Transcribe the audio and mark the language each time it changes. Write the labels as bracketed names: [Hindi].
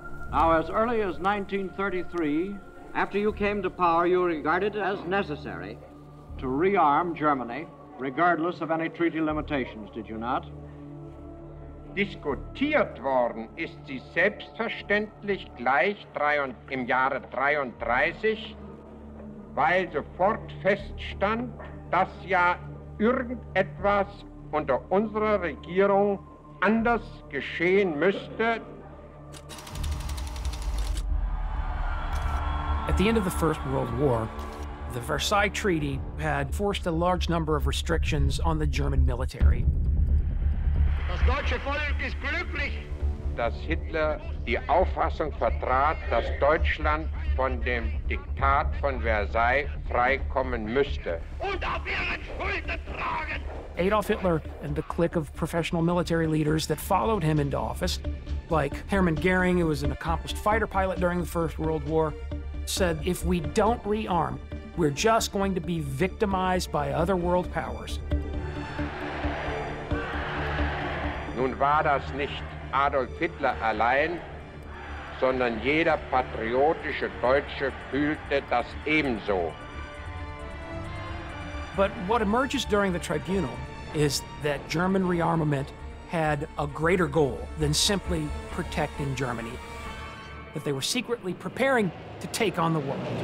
[English] Now, as early as 1933, after you came to power, you regarded it as necessary to rearm Germany, regardless of any treaty limitations, did you not? [German] Diskutiert worden ist sie selbstverständlich gleich im Jahre 33, weil sofort feststand, dass ja irgendetwas unter unserer Regierung anders geschehen müsste. [English] At the end of the First World War, the Versailles Treaty had forced a large number of restrictions on the German military. [German] Das deutsche Volk ist glücklich, dass Hitler die Auffassung vertrat, dass Deutschland von dem Diktat von Versailles freikommen müsste. Und auf ihren Schulden tragen. [English] Adolf Hitler and the clique of professional military leaders that followed him into office, like Hermann Göring, who was an accomplished fighter pilot during the First World War, said, if we don't rearm, we're just going to be victimized by other world powers. [German] Nun war das nicht Adolf Hitler allein, sondern jeder patriotische Deutsche fühlte das ebenso. [English] But what emerges during the tribunal is that German rearmament had a greater goal than simply protecting Germany, that they were secretly preparing to take on the world.